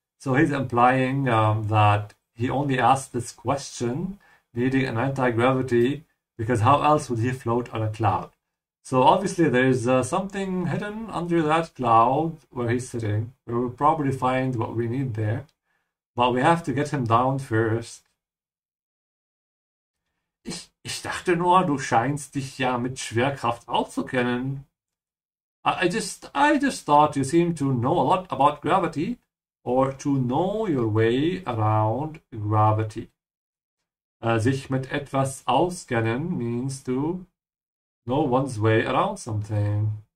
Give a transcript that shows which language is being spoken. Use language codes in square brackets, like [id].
[en] So he's implying that he only asked this question needing an anti-gravity because how else would he float on a cloud? So obviously there's something hidden under that cloud where he's sitting. We'll probably find what we need there. But we have to get him down first. [de] Ich dachte nur, du scheinst dich ja mit Schwerkraft auszukennen. [en] I just thought you seem to know a lot about gravity or to know your way around gravity. Sich mit etwas auskennen means to know one's way around something.